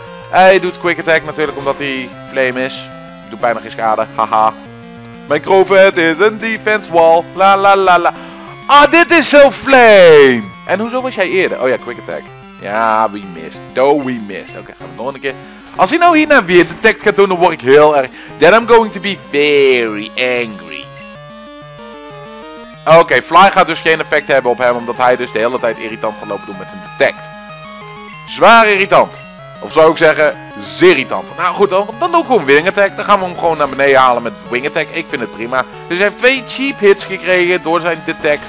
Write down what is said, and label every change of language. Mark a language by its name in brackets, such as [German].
[Dutch] Hij doet Quick Attack natuurlijk omdat hij flame is. Doet bijna geen schade, haha. Mijn Crovet is een defense wall. La la la la. Ah, dit is zo flame. En hoezo was jij eerder? Oh ja, Quick Attack. Ja, [English] we missed. Though we missed. [Dutch] Oké, gaan we nog een keer. Als hij nou hierna weer detect gaat doen, dan word ik heel erg... [English] Then I'm going to be very angry. [Dutch] Oké, Fly gaat dus geen effect hebben op hem, omdat hij dus de hele tijd irritant gaat lopen doen met zijn detect. Zwaar irritant. Of zou ik zeggen, zeritant. Nou goed, dan doen we gewoon Wing Attack. Dan gaan we hem gewoon naar beneden halen met Wing Attack. Ik vind het prima. Dus hij heeft 2 cheap hits gekregen door zijn detect.